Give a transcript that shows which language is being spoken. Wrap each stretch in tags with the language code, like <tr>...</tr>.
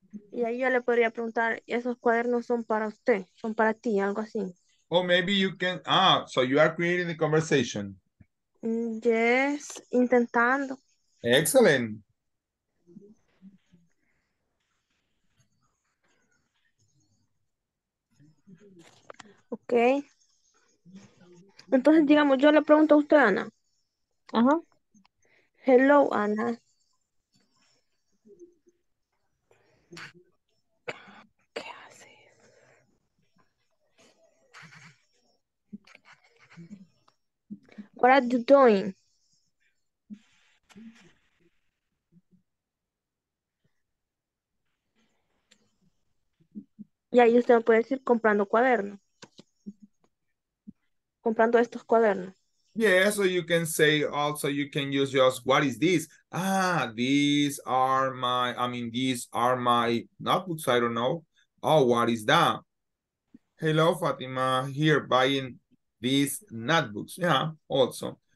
<es>Y ahí yo le podría preguntar, esos cuadernos son para usted, son para ti, algo así.</es> <en>Oh, maybe you can, so you are creating the conversation.</en> <es>Yes, intentando.</es> <en>Excellent.</en> <es>Ok. Entonces, digamos, yo le pregunto a usted, Ana. Ajá.</es> <en>Hello, Ana. What are you doing?</en> <es>Y ahí usted me puede decir comprando cuadernos. Comprando estos cuadernos.</es> <en>Yeah, so you can say also you can use just what is this? Ah, these are my notebooks, I don't know. Oh, what is that? Hello, Fatima, here buying these notebooks, yeah, also.</en>